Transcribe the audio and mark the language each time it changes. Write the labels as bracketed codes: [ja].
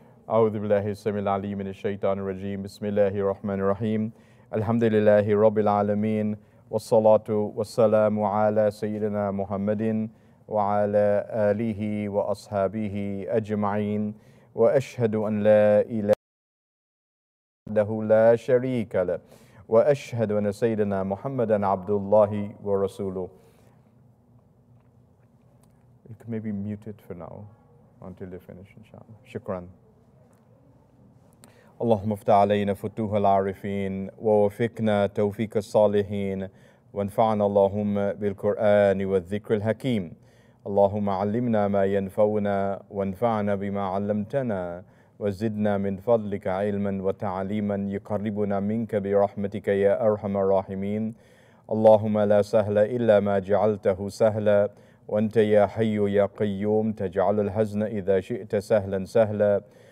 [ar] أعوذ بالله السميع العليم من الشيطان الرجيم بسم الله الرحمن الرحيم الحمد لله رب العالمين والصلاة والسلام على سيدنا محمد وعلى آله وأصحابه أجمعين وأشهد أن لا إله إلا الله لا شريك له وأشهد أن سيدنا محمدا عبد الله ورسوله. [en] You can maybe mute it for now until you finish, inshallah. [ar] Shukran. اللهم افتح علينا فتوح العارفين ووفقنا توفيق الصالحين وانفعنا اللهم بالقرآن والذكر الحكيم اللهم علمنا ما ينفعنا وانفعنا بما علمتنا وزدنا من فضلك علما وتعليما يقربنا منك برحمتك يا أرحم الراحمين اللهم لا سهل إلا ما جعلته سهلا وأنت يا حي يا قيوم تجعل الحزن إذا شئت سهلا سهلا